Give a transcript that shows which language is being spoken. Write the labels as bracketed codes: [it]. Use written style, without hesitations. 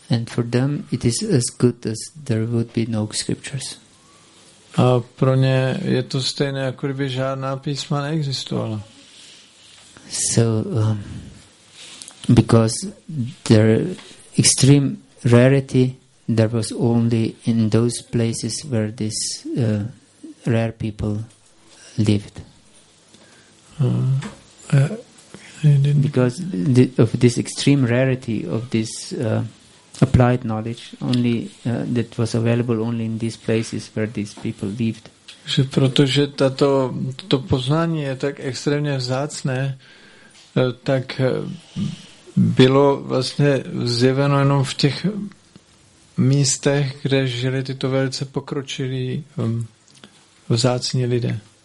[en] And for them it is as good as there would be no scriptures. [cs] A pro ně je to stejné, jako kdyby žádná písma neexistovala. [en] So because their extreme rarity there was only in those places where these rare people lived. Because of this extreme rarity of this applied knowledge, only that was available only in these places where these people lived. [cs] Že protože to poznání je tak extrémně vzácné, tak bylo vlastně zjeveno jenom v těch místech, kde žili tyto velice pokročilí vzácní lidé.